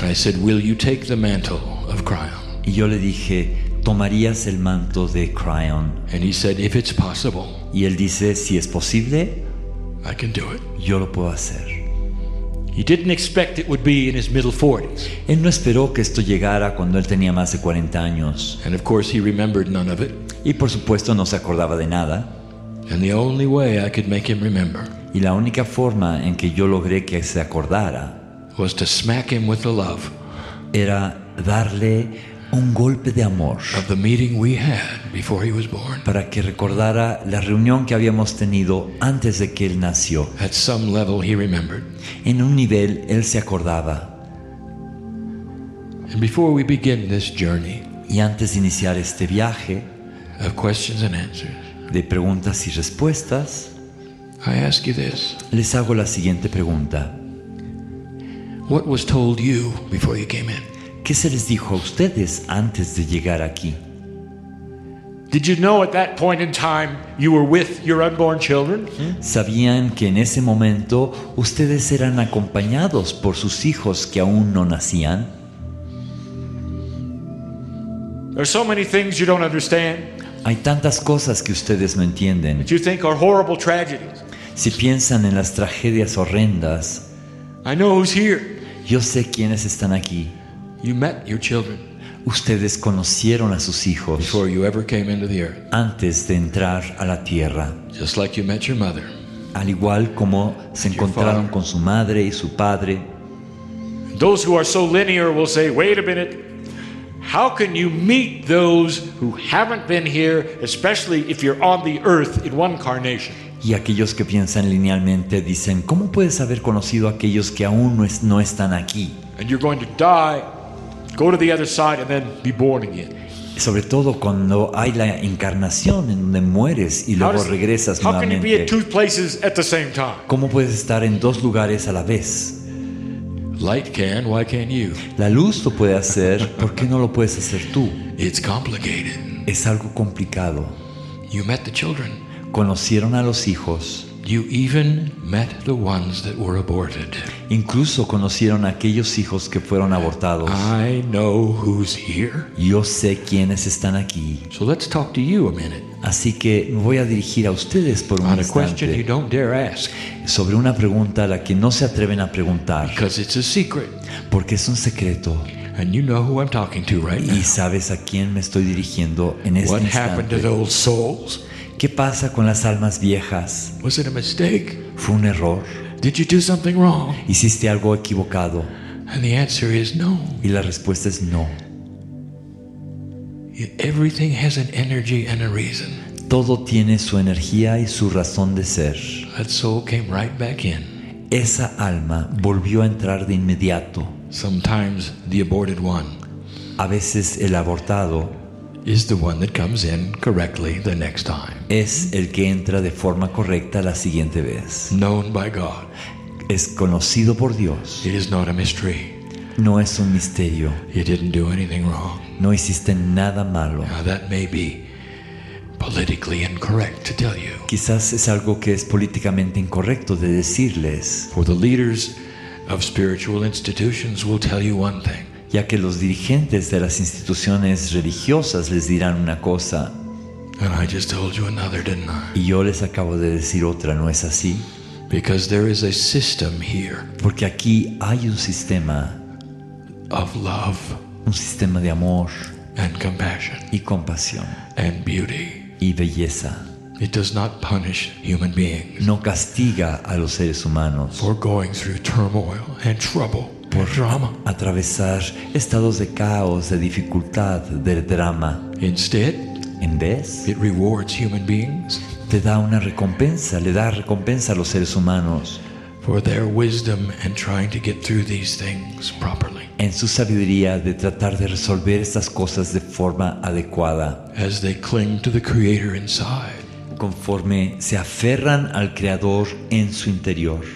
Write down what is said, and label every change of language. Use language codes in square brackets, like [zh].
[en] And I said, "Will you take the mantle of Kryon?" [es] Y yo le dije, "¿Tomarías el manto de Kryon?" [en] And he said, "If it's possible." [es] Y él dice, "Si es posible, [en] I can do it." [es] Yo lo puedo hacer. [en] He didn't expect it would be in his middle 40s. [es] Él no esperó que esto llegara cuando él tenía más de 40 años. [en] And of course he remembered none of it. [es] Y por supuesto no se acordaba de nada. [en] And the only way I could make him remember. [es] Y la única forma en que yo logré que se acordara [en] was to smack him with the love. [es] Era darle un golpe de amor. [en] Of the meeting we had before he was born. [es] Para que recordara la reunión que habíamos tenido antes de que él nació. [en] At some level he remembered. [es] En un nivel él se acordaba. [en] And before we begin this journey. [es] Y antes de iniciar este viaje. [en] Of questions and answers. [es] De preguntas y respuestas. [en] I ask you this. [es] Les hago la siguiente pregunta. [en] What was told you before you came in? [es] ¿Qué se les dijo a ustedes antes de llegar aquí? [en] Did you know at that point in time you were with your unborn children? [es] ¿Sabían que en ese momento ustedes eran acompañados por sus hijos que aún no nacían? [en] There are so many things you don't understand. [es] Hay tantas cosas que ustedes no entienden. [en] That you think are horrible tragedies. [es] Si piensan en las tragedias horrendas. [en] I know who's here. [es] Yo sé quiénes están aquí. [en] You met your children. [es] Ustedes conocieron a sus hijos. [en] Before you ever came into the earth. [es] Antes de entrar a la tierra. [en] Just like you met your mother. [es] Al igual como se encontraron con su madre y su padre. [en] Those who are so linear will say, "Wait a minute. How can you meet those who haven't been here, especially if you're on the earth in one incarnation?" [es] Y aquellos que piensan linealmente dicen, ¿cómo puedes haber conocido a aquellos que aún no están aquí? [en] And you're going to die, go to the other side, and then be born again. [es] Sobre todo cuando hay la encarnación en donde mueres y luego regresas nuevamente. [en] How can you be in two places at the same time? [es] ¿Cómo puedes estar en dos lugares a la vez? [en] Light can, why can't you? [es] La luz lo puede hacer, ¿por qué no lo puedes hacer tú? [en] It's complicated. [es] Es algo complicado. [en] You met the children. [es] Conocieron a los hijos. [en] You even met the ones that were aborted. [es] Incluso conocieron a aquellos hijos que fueron abortados. [en] I know who's here. [es] Yo sé quiénes están aquí. [en] So let's talk to you a minute. [es] Así que me voy a dirigir a ustedes por un [en] on [es] instante. [en] A question you don't dare ask. [es] Sobre una pregunta a la que no se atreven a preguntar. [en] Because it's a secret. [es] Porque es un secreto. [en] And you know who I'm talking to right now. [es] Y sabes a quién me estoy dirigiendo en este [en] what [es] instante. [en] What happened to those souls? [es] ¿Qué pasa con las almas viejas? [en] Was it a mistake? [es] ¿Fue un error? [en] Did you do something wrong? [es] ¿Hiciste algo equivocado? [en] And the answer is no. [es] Y la respuesta es no. [en] Everything has an energy and a reason. [es] Todo tiene su energía y su razón de ser. [en] That soul came right back in. [es] Esa alma volvió a entrar de inmediato. [en] Sometimes the aborted one. [es] A veces el abortado [en] is the one that comes in correctly the next time. [es] Es el que entra de forma correcta la siguiente vez. [en] Known by God. [es] Es conocido por Dios. [en] It is not a mystery. [es] No es un misterio. [en] You didn't do anything wrong. [es] No hiciste nada malo. [en] Now that may be politically incorrect to tell you. [es] Quizás es algo que es políticamente incorrecto de decirles. [en] For the leaders of spiritual institutions will tell you one thing. [es] Ya que los dirigentes de las instituciones religiosas les dirán una cosa. [en] And I just told you another, didn't I? [es] Y yo les acabo de decir otra, ¿no es así? [en] Because there is a system here. [es] Porque aquí hay un sistema [en] of love. [es] Un sistema de amor [en] and compassion. [es] Y compasión. [en] And beauty. [es] Y belleza. [en] It does not punish human beings. [es] No castiga a los seres humanos. [en] For going through turmoil and trouble. [es] Por [en] drama. [es] Atravesar estados de caos, de dificultad, de drama. [en] Instead, [es] En vez, [en] it rewards human beings. [es] Te da una recompensa, le da recompensa a los seres humanos. [en] For their wisdom and trying to get through these things properly. [es] En su sabiduría de tratar de resolver estas cosas de forma adecuada. [en] As they cling to the Creator inside. [es] Conforme se aferran al Creador en su interior.